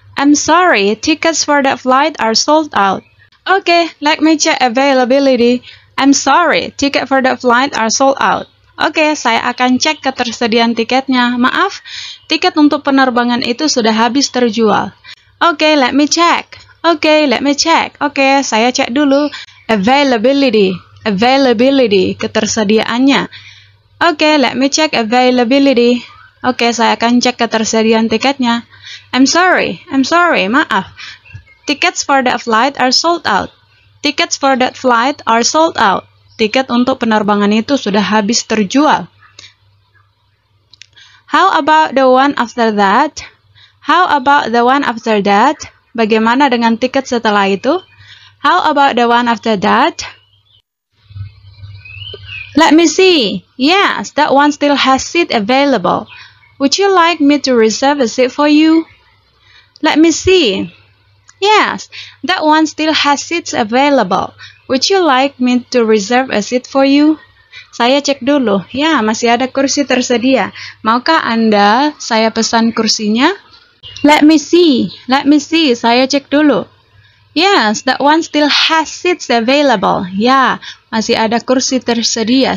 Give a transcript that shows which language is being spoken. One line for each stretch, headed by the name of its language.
English: I'm sorry, tickets for that flight are sold out. Okay, let me check availability. I'm sorry, tickets for that flight are sold out.
Indonesian: Oke, saya akan cek ketersediaan tiketnya. Maaf, tiket untuk penerbangan itu sudah habis terjual.
English: Oke, let me check. Oke, let me check. Oke,
Indonesian: saya cek dulu
English: availability. Availability,
Indonesian: ketersediaannya.
English: Oke, let me check availability.
Indonesian: Oke, saya akan cek ketersediaan tiketnya.
English: I'm sorry,
Indonesian: maaf.
English: Tickets for that flight are sold out. Tickets for that flight are sold out.
Indonesian: Tiket untuk penerbangan itu sudah habis terjual.
English: How about the one after that? How about the one after that?
Indonesian: Bagaimana dengan tiket setelah itu?
English: How about the one after that? Let me see. Yes, that one still has seat available. Would you like me to reserve a seat for you? Let me see. Yes, that one still has seats available. Would you like me to reserve a seat for you?
Indonesian: Saya cek dulu. Ya, masih ada kursi tersedia. Maukah Anda saya pesan kursinya?
English: Let me see. Let me see.
Indonesian: Saya cek dulu.
English: Yes, that one still has seats available.
Indonesian: Ya, masih ada kursi tersedia.